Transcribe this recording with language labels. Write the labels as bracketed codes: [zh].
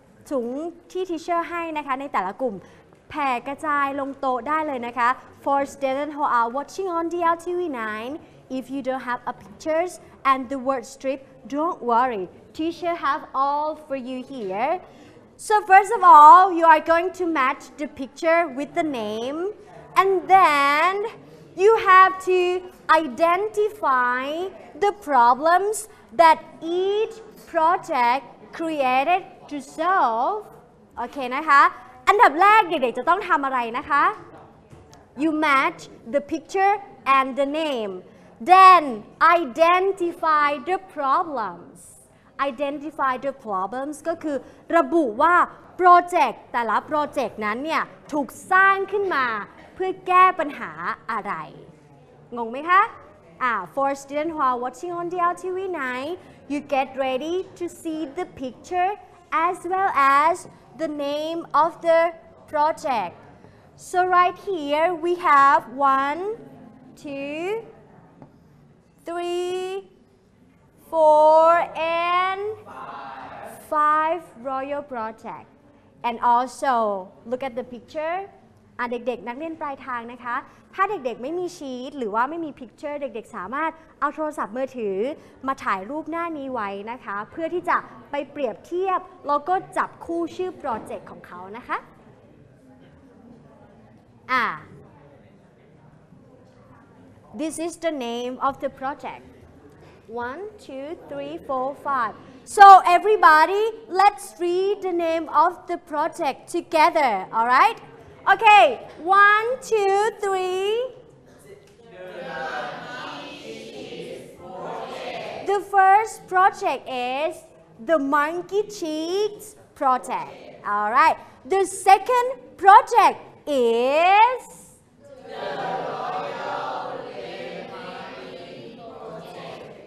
[th] ถุงที่ทีเชอร์ให้นะคะในแต่ละกลุ่มแผ่กระจายลงโต๊ะได้เลยนะคะ [en] for students who are watching on DLTV9 if you don't have a pictures and the word strip don't worry teacher have all for you here So first of all, you are going to match the picture with the name, and then you have to identify the problems that each project created to solve. [th] Okay, นะคะอันดับแรกเด็กๆจะต้องทำอะไรนะคะ [en] You match the picture and the name. Then identify the problems. Identify the problems [th] ก็คือระบุว่าโปรเจกต์แต่ละโปรเจกต์นั้นเนี่ยถูกสร้างขึ้นมาเพื่อแก้ปัญหาอะไรงงไหมคะ [en] for student who are watching on the LTV 9, you get ready to see the picture as well as the name of the project. So right here we have 1, 2, 3, 4, and 5 royal project. And also look at the picture. [th] เด็กๆนักเรียนปลายทางนะคะถ้าเด็กๆไม่มีชีทหรือว่าไม่มีพิกเจอร์เด็กๆสามารถเอาโทรศัพท์มือถือ มาถ่ายรูปหน้านี้ไว้นะคะเพื่อที่จะไปเปรียบเทียบแล้วก็จับคู่ชื่อโปรเจกต์ของเขานะคะ [en] This is the name of the project 1, 2, 3, 4, 5 So everybody let's read the name of the project together all rightOkay, 1, 2, 3. The first project is the Monkey Cheeks project. All right. The second project is the Royal Rainmaking Project.